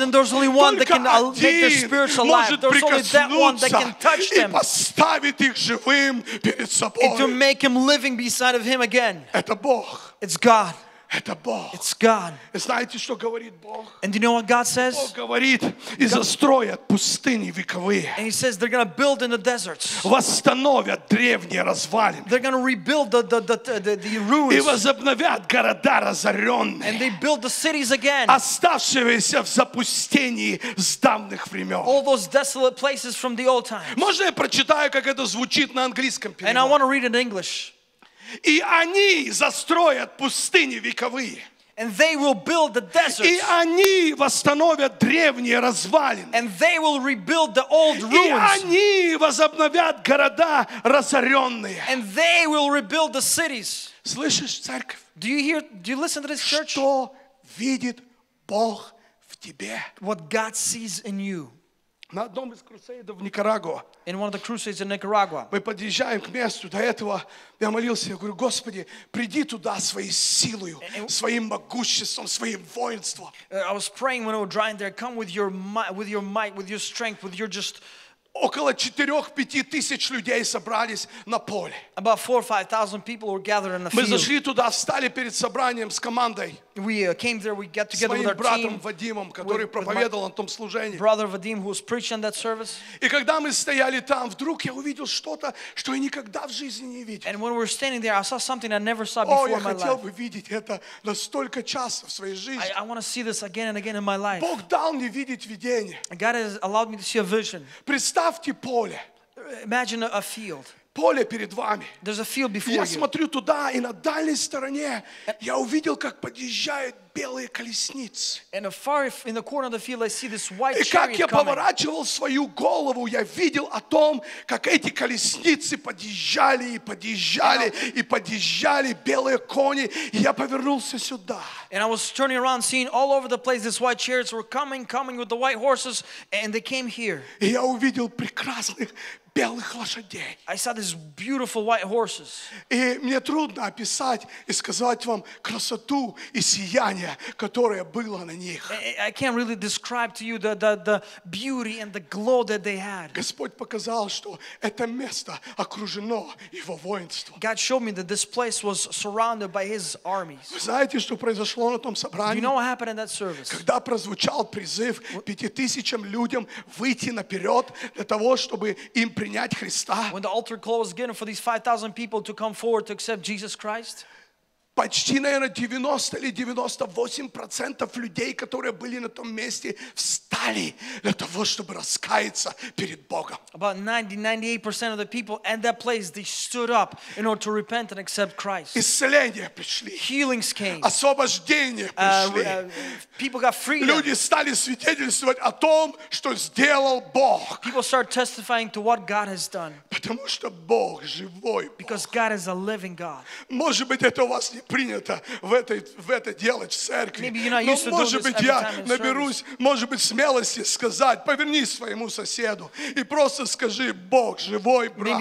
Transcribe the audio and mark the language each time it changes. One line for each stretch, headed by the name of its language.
English: then there's only one that can make their spirits alive. There's only that one that can touch them and to make him living beside of him again. It's God.
Russian: Это Бог.
English: It's God.
Russian: И знаете, что говорит Бог?
English: And do you know what God says?
Russian: Бог говорит, и застроят пустыни вековые.
English: And he says they're going to build in the deserts.
Russian: Восстановят древние развалины.
English: They're going to rebuild the ruins.
Russian: И возобновят города разоренные.
English: And they build the cities again.
Russian: Оставшиеся в запустении с давних времен.
English: All those desolate places from the old times.
Russian: Можно я прочитаю, как это звучит на английском переводе?
English: And I want to read it in English.
Russian: И они застроят пустыни вековые.
English: And they will build the deserts.
Russian: И они восстановят древние развалины.
English: And they will rebuild the old ruins.
Russian: И они возобновят города разоренные.
English: And they will rebuild the cities.
Russian: Слышишь, церковь?
English: Do you listen to this church?
Russian: Что видит Бог в тебе.
English: What God sees in you.
Russian: На одном из крусейдов в Никарагуа.
English: In one of the crusades in Nicaragua.
Russian: Мы подъезжаем к месту. До этого я молился, я говорю: Господи, приди туда своей силою, своим могуществом, своим воинством.
English: I was praying when I was driving there, come with your might, with your might, with your strength, with your just.
Russian: Около 4-5 тысяч людей собрались на поле.
English: About 4-5,000 people were gathered in the
Russian: field. Мы зашли туда, встали перед собранием с командой.
English: We came there, we got together with our team.
Russian: С братом Вадимом, который проповедовал на том служении.
English: Brother Vadim, who was preaching on that service.
Russian: И когда мы стояли там, вдруг я увидел что-то, что я никогда в жизни не видел.
English: And when we were standing there, I saw something I never saw before in my life.
Russian: О, я хотел бы видеть это на столько часов в своей жизни.
English: I want to see this again and again in my life.
Russian: Бог дал мне видеть видение.
English: God has allowed me to see a vision.
Russian: Представьте поле.
English: Imagine a field.
Russian: Поле перед вами.
English: There's a field before
Russian: я
English: you.
Russian: Смотрю туда, и на дальней стороне я увидел, как подъезжают белые колесницы.
English: And far in the corner of the field, I see this white chariot.
Russian: И как я
English: coming.
Russian: Поворачивал свою голову, я видел о том, как эти колесницы подъезжали и подъезжали и подъезжали белые кони. И я повернулся сюда.
English: And I was turning around, seeing all over the place these white chariots were coming, coming with the white horses, and they came here.
Russian: И я увидел прекрасных белых лошадей.
English: I saw these beautiful white horses.
Russian: И мне трудно описать и сказать вам красоту и сияние, которое было на них.
English: I can't really describe to you the beauty and the glow that they had.
Russian: Господь показал, что это место окружено Его воинством.
English: God showed me that this place was surrounded by His armies.
Russian: Вы знаете, что произошло на том собрании?
English: You know what happened in that service?
Russian: Когда прозвучал призыв 5000 людям выйти наперед для того, чтобы им принять Христа.
English: When the altar call was given for these 5,000 people to come forward to accept Jesus Christ,
Russian: почти, наверное, 90 или 98% людей, которые были на том месте, встали для того, чтобы раскаяться перед Богом.
English: About 90-98% of the people at that place, they stood up in order to repent and accept Christ.
Russian: Исцеления пришли.
English: Healings came.
Russian: Освобождение пришли.
English: People got freedom.
Russian: Люди стали свидетельствовать о том, что сделал Бог.
English: People started testifying to what God has done.
Russian: Потому что Бог живой Бог.
English: Because God is a living God.
Russian: Может быть, это у вас не принято в это делать в церкви. Но может быть я наберусь, может быть, смелости сказать, повернись своему соседу и просто скажи: Бог живой, брат.